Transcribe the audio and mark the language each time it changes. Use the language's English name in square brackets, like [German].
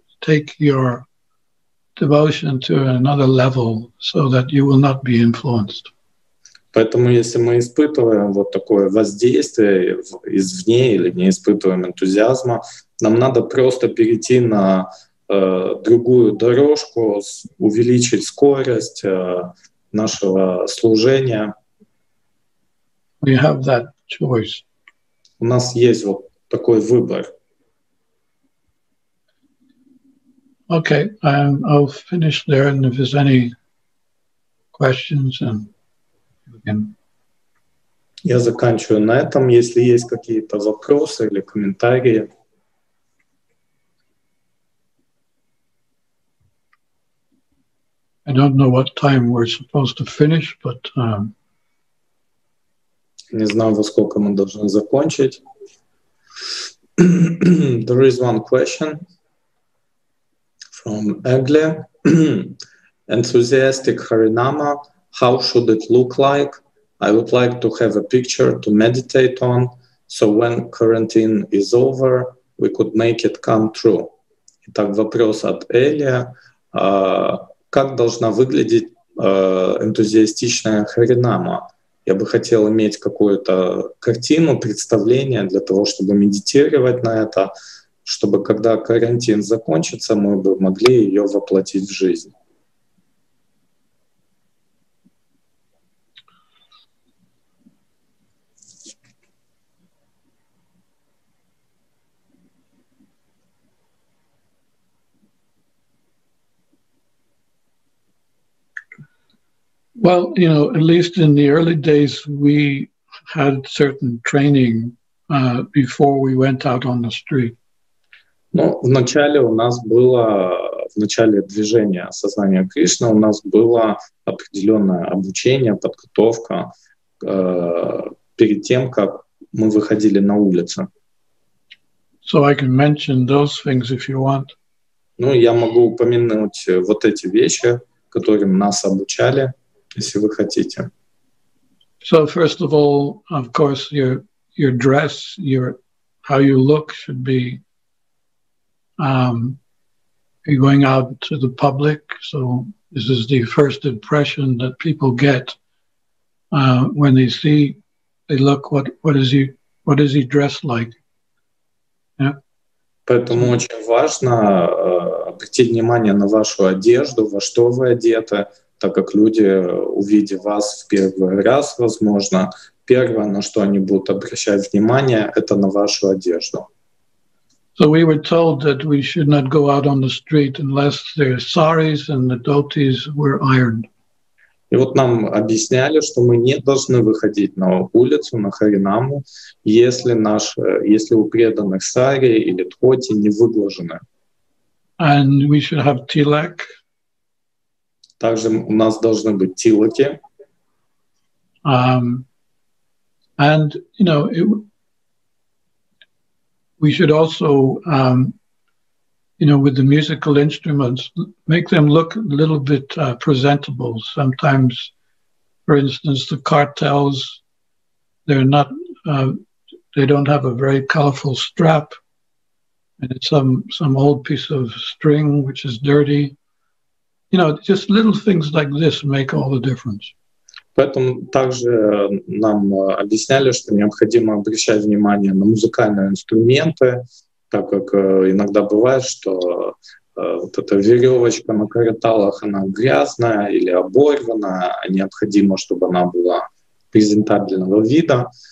[English] Take your devotion to another level so that you will not be influenced. [Russian] Поэтому если мы испытываем вот такое воздействие извне или не испытываем энтузиазма, нам надо просто перейти на другую дорожку, увеличить скорость нашего служения. [English] We have that choice. [Russian] У нас есть вот такой выбор. [English] Okay, I'll finish there, and if there's any questions, and [Russian] я заканчиваю на этом, если есть какие-то вопросы или комментарии. [English] I don't know what time we're supposed to finish, but [Russian] не знаю, во сколько мы должны закончить. [English] There is one question from Egle. Enthusiastic Harinama, how should it look like? I would like to have a picture to meditate on, so when quarantine is over, we could make it come true. [Russian] Итак, вопрос от Эли. Как должна выглядеть энтузиастичная харинама? Я бы хотел иметь какую-то картину, представление для того, чтобы медитировать на это, чтобы когда карантин закончится, мы бы могли ее воплотить в жизнь. [English] Well, you know, at least in the early days, we had certain training before we went out on the street. [Russian] Ну, в начале у нас было, в начале движения сознания Кришны, у нас было определенное обучение, подготовка перед тем, как мы выходили на улицу. [English] So I can mention those things if you want. [Russian] Ну, я могу упомянуть вот эти вещи, которым нас обучали. Если вы хотите. [English] So first of all, of course, your dress, your how you look should be you're going out to the public, so this is the first impression that people get when they see they look what is he dressed like. Yeah. [Russian] Поэтому очень важно обратить внимание на вашу одежду, во что вы одеты. Так как люди, увидев вас в первый раз, возможно, первое, на что они будут обращать внимание, это на вашу одежду. [English] So we were told that we should not go out on the street unless their saris and the dhotis were ironed. [Russian] И вот нам объясняли, что мы не должны выходить на улицу, на харинаму, если у преданных сари или дхоти не выглажены. [English] And we should have tilak. [Russian] Также у нас должны быть тилаки. [English] And you know, we should also, you know, with the musical instruments, make them look a little bit presentable. Sometimes, for instance, the cartels, they're not, they don't have a very colorful strap, and it's some old piece of string which is dirty. You know, just little things like this make all the difference. [Russian] Поэтому также нам объясняли, что необходимо обращать внимание на музыкальные инструменты, так как иногда бывает, что вот эта веревочка на карталах, она грязная или оборванная, необходимо, чтобы она была презентабельного вида.